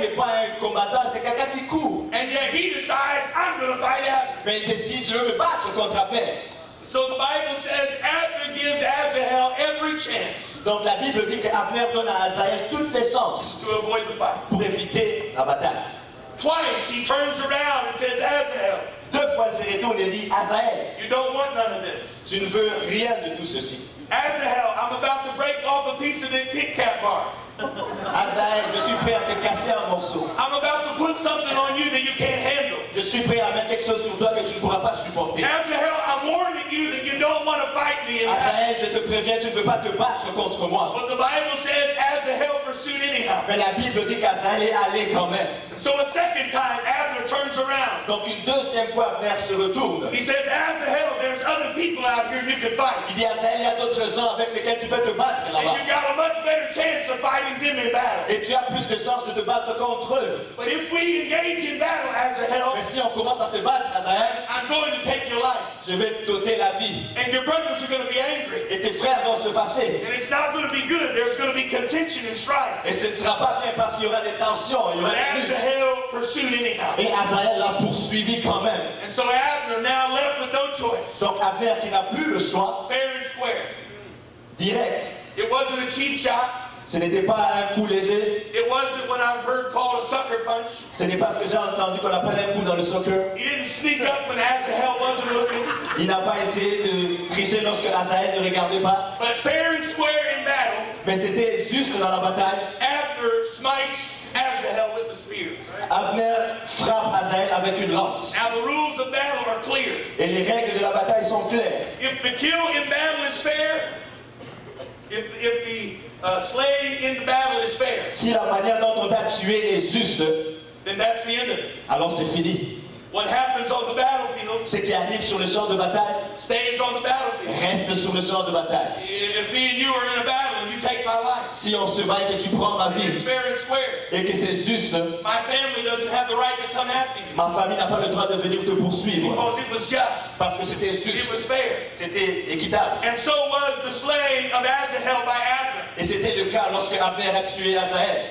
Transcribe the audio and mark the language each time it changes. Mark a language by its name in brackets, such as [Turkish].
[French] n'est pas un combattant, c'est quelqu'un qui court. [English] And yet he decides, I'm going to fight Abner. [French] Mais il décide, je veux me battre contre Abner. [English] So the Bible says, Abner gives Azahel every chance. [French] Donc la Bible dit que Abner donne à Azahel toutes les chances [English] to avoid the fight. [French] Pour éviter la bataille. [English] Twice he turns around and says, Azahel. [French] Deux fois il se retourne et dit, Azahel. [English] You don't want none of this. [French] Tu ne veux rien de tout ceci. [English] Azahel, I'm about to break off a piece of the Kit Kat bar. [French] Azahel, je suis prêt à te casser un morceau. [English] I'm about to put something on you that you can't handle. [French] Je suis prêt à mettre quelque chose sur toi que tu ne pourras pas supporter. [English] Azahel, I'm warning you that you don't want to fight me. [French] Azahel, je te préviens, tu ne veux pas te battre contre moi. [English] But the Bible says Azahel pursued anyhow. [French] Mais la Bible dit qu'Azahel est allé quand même. [English] So a second time, Abner turns around. [French] Donc une deuxième fois, Abner se retourne. [English] He says, Asahel, there's other people out here you can fight. [French] Il dit, Asahel, il y a d'autres gens avec lesquels tu peux te battre là-bas. [English] And you've got a much better chance of fighting them in battle. [French] Et tu as plus de chances de te battre contre eux. [English] But if we engage in battle, Asahel, [French] mais si on commence à se battre, Asahel, [English] I'm going to take your life. [French] Je vais te ôter la vie. [English] And your brothers are going to be angry. [French] Et tes frères vont se fâcher. [English] And it's not going to be good. There's going to be contention and strife. [French] Et ce ne sera pas bien parce qu'il y aura des tensions. Il y aura des luttes. Et Asahel l'a poursuivi quand même. [English] And so Abner now left with no choice. [French] Donc Abner qui n'a plus le choix. [English] Fair and square. [French] Direct. [English] It wasn't a cheap shot. [French] Ce n'était pas un coup léger. [English] It wasn't what I've heard called a sucker punch. [French] Ce n'est pas ce que j'ai entendu qu'on appelle un coup dans le soccer. [English] He didn't sneak up when Asahel wasn't looking. [French] Il n'a pas essayé de tricher lorsque Asahel ne regardait pas. [English] But fair and square in battle. [French] Mais c'était juste dans la bataille. [English] Abner smites Asahel with the spear. [French] Abner frappe Asahel avec une lance. [English] Now the rules of battle are clear. [French] Et les règles de la bataille sont claires. [English] If the kill in battle is fair, if the slaying in the battle is fair, [French] si la manière dont on t'a tué est juste, [English] then that's the end of it. [French] Alors c'est fini. [English] What happens on the battlefield? [French] Ce qui arrive sur le champ de bataille [English] stays on the battlefield. [French] Reste sur le champ de bataille. [English] If me and you are in a battle and you take my life, [French] si on se bat et que tu prends ma vie, [English] it's fair and square. [French] Et que c'est juste, [English] my family doesn't have the right to come after you. [French] Ma famille n'a pas le droit de venir te poursuivre. [English] Because it was just. [French] Parce que c'était juste. [English] It was fair. [French] C'était équitable. [English] And so was the slaying of Asahel by Abner. [French] Et c'était le cas lorsque Abner a tué Asahel.